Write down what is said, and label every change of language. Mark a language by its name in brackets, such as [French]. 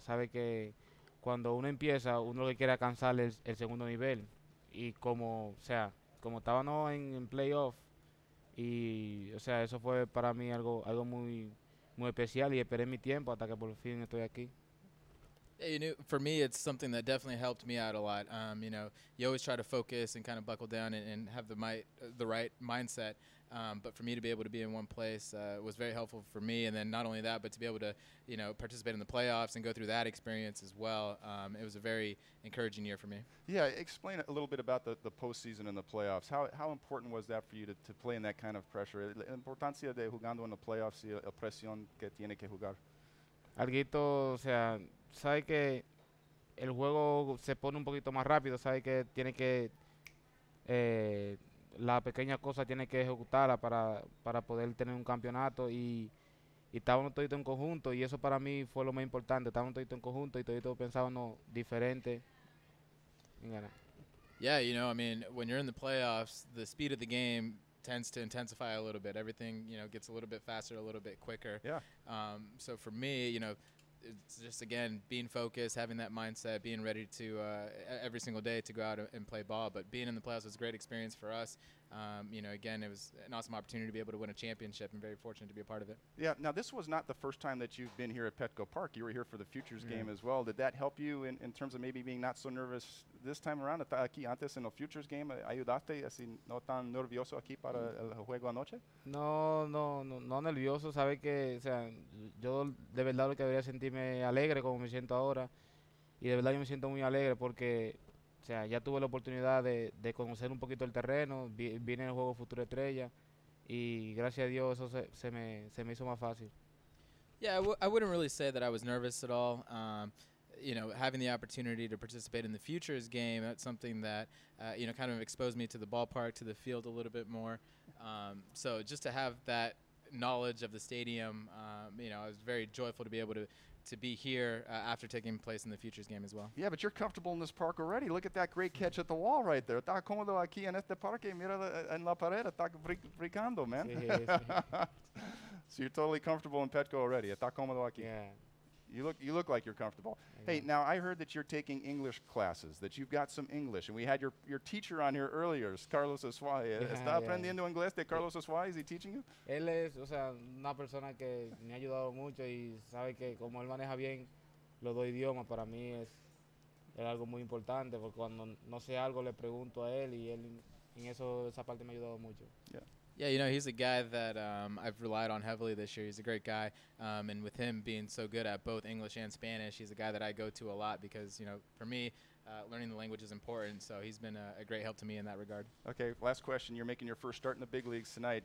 [Spanish] Sabes que cuando uno empieza, uno lo que quiere alcanzar es el segundo nivel. Y como estábamos en playoff, y eso fue para mí algo muy, muy especial y esperé mi tiempo hasta que por fin estoy aquí. [English] You know, for me, it's something that definitely helped me out a lot. You know, you always try to focus and kind of buckle down and have the right mindset. But for me to be able to be in one place was very helpful for me. And then not only that, but to be able to, you know, participate in the playoffs and go through that experience as well. It was a very encouraging year for me. Yeah, explain a little bit about the postseason and the playoffs. How important was that for you to play in that kind of pressure? [Spanish] La importancia de jugando en [English] the playoffs [Spanish] y la presión que tiene que jugar. Alguito, sabe que el juego se pone un poquito más rápido, sabe que tiene que la pequeña cosa tiene que ejecutarla para poder tener un campeonato y estábamos todito en conjunto y eso para mí fue lo más importante, estábamos todito en conjunto y todito pensábamos diferente. [English] Yeah, you know, I mean, when you're in the playoffs, the speed of the game tends to intensify a little bit. Everything, you know, gets a little bit faster, a little bit quicker. Yeah. So for me, you know, it's just, again, being focused, having that mindset, being ready to every single day to go out and play ball. But being in the playoffs was a great experience for us. You know, again, it was an awesome opportunity to be able to win a championship and very fortunate to be a part of it. Yeah. Now, this was not the first time that you've been here at Petco Park. You were here for the Futures game as well. Did that help you in terms of maybe being not so nervous this time around? [Spanish] Está aquí antes en el Futures game. ¿Ayudaste así no tan nervioso aquí para el juego anoche? No nervioso. Sabe que, o sea, yo de verdad lo que debería sentirme alegre como me siento ahora. Y de verdad yo me siento muy alegre porque... O sea, ya tuve la oportunidad de conocer un poquito el terreno, vine en el juego Futura Estrella, y gracias a Dios eso se me hizo más fácil. [English] Yeah, I wouldn't really say that I was nervous at all. You know, having the opportunity to participate in the Futures game, that's something that, you know, kind of exposed me to the ballpark, to the field a little bit more. So just to have that knowledge of the stadium, you know, I was very joyful to be able to be here after taking place in the Futures game as well. Yeah, but you're comfortable in this park already. Look at that great catch at the wall right there. [Spanish] Está cómodo aquí en este parque. Mira en la pared. Está brincando, man. [English] So you're totally comfortable in Petco already. [Spanish] Está cómodo aquí. [English] Yeah. You look like you're comfortable. Yeah. Hey, now I heard that you're taking English classes, that you've got some English. And we had your teacher on here earlier, Carlos Osuay. Yeah, [Spanish] ¿Está aprendiendo inglés de Carlos Osuay? [English] Is he teaching you? [Spanish] Él es, o sea, una persona que me ha ayudado mucho y sabe que como él maneja bien los dos idiomas, para mí es algo muy importante porque cuando no sé algo le pregunto a él y él en eso esa parte me ha ayudado mucho. [English] Yeah, you know, he's a guy that I've relied on heavily this year. He's a great guy. And with him being so good at both English and Spanish, he's a guy that I go to a lot because, you know, for me, learning the language is important. So he's been a great help to me in that regard. Okay, last question. You're making your first start in the big leagues tonight.